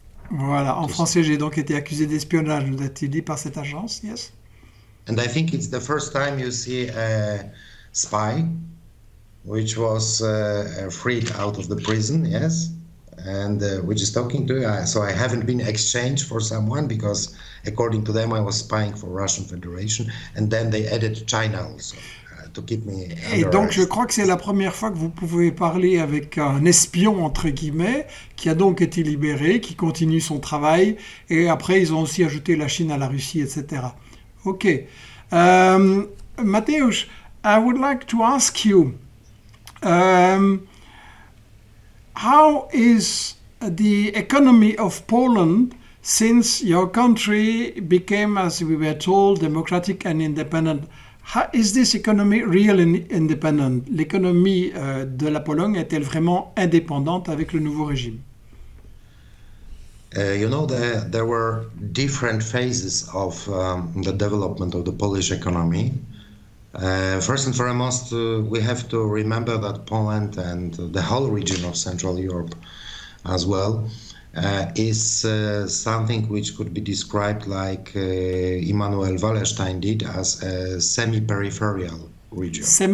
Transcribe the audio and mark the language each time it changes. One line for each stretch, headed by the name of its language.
French: Voilà, en français, j'ai donc été accusé d'espionnage, nous a-t-il dit, par cette agence, yes.
English: And I think it's the first time you see a spy, which was freed out of the prison, yes. And which is talking to you, so I haven't been exchanged for someone because according to them I was spying for Russian Federation and then they added China also to keep me under
French: Et donc je crois que c'est la première fois que vous pouvez parler avec un espion entre guillemets qui a donc été libéré, qui continue son travail et après ils ont aussi ajouté la Chine à la Russie, etc.
English: Ok, Mateusz, I would like to ask you how is the economy of Poland since your country became, as we were told, democratic and independent? How is this economy really independent?
French: L'économie de la Pologne est-elle vraiment indépendante avec le nouveau régime?
English: You know, there were different phases of the development of the Polish economy. First and foremost, we have to remember that Poland and the whole region of Central Europe as well is something which could be described like Immanuel Wallerstein did as a semi-peripheral region.